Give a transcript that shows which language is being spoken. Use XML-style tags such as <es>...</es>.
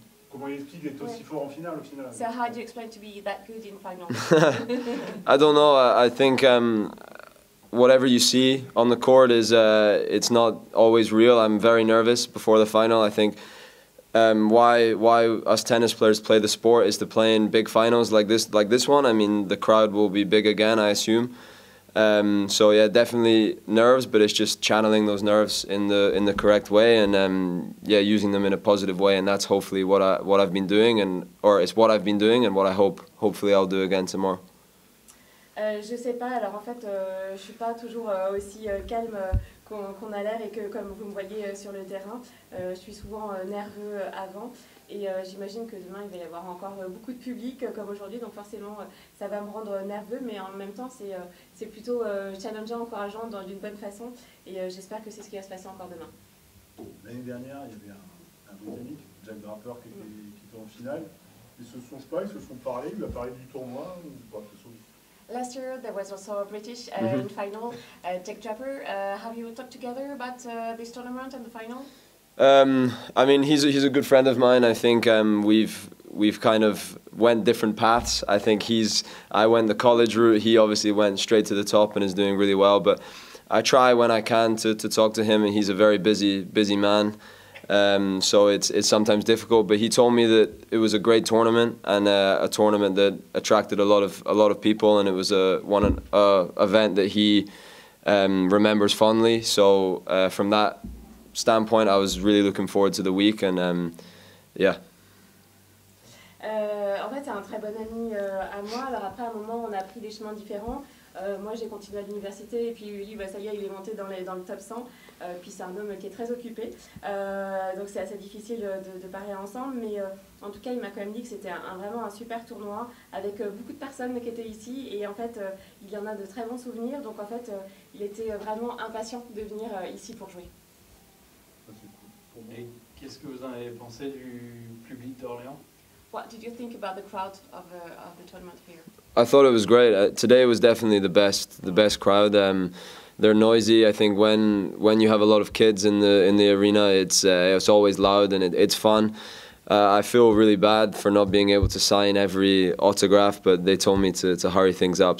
<fr>comment il explique d'être aussi fort en finale, au final?</fr> <en>So how do you explain to be that good in final? I don't know. I think whatever you see on the court is, it's not always real. I'm very nervous before the final. I think why us tennis players play the sport is to play in big finals like this one. I mean, the crowd will be big again, I assume. So yeah, definitely nerves, but it's just channeling those nerves in the correct way, and using them in a positive way, and that's hopefully what I've been doing, and or it's what I've been doing and what I hopefully I'll do again tomorrow.</en> <fr>Je sais pas, alors en fait je suis pas toujours aussi calme qu'on a l'air, et que comme vous me voyez sur le terrain, je suis souvent nerveux avant, et j'imagine que demain il va y avoir encore beaucoup de public comme aujourd'hui, donc forcément ça va me rendre nerveux, mais en même temps c'est plutôt challengeant, encourageant d'une bonne façon, et j'espère que c'est ce qui va se passer encore demain. L'année dernière il y avait un Britannique, Jack Draper, qui était en finale. Ils se sont parlé, il a parlé du tournoi,</fr> <en>Last year there was also a British in final, Jack Draper. Have you talked together about this tournament and the final? I mean, he's a good friend of mine. I think we've kind of went different paths. I think I went the college route. He obviously went straight to the top and is doing really well. But I try when I can to talk to him, and he's a very busy man. So it's sometimes difficult, but he told me that it was a great tournament, and a tournament that attracted a lot of people, and it was an event that he remembers fondly. So from that standpoint, I was really looking forward to the week, and</en> <fr>En fait, c'est un très bon ami à moi. Alors après, à un moment, on a pris des chemins différents. Moi, j'ai continué à l'université, et puis lui, ça y est, il est monté dans le top 100. Puis c'est un homme qui est très occupé. Donc c'est assez difficile de parler ensemble. Mais en tout cas, il m'a quand même dit que c'était vraiment un super tournoi, avec beaucoup de personnes qui étaient ici. Et en fait, il y en a de très bons souvenirs. Donc en fait, il était vraiment impatient de venir ici pour jouer. Et qu'est-ce que vous en avez pensé du public d'Orléans?</fr> <en>What did you think about the crowd of the tournament here? I thought it was great. Today was definitely the best crowd. They're noisy. I think when you have a lot of kids in the arena, it's always loud, and it's fun. I feel really bad for not being able to sign every autograph, but they told me to hurry things up.</en>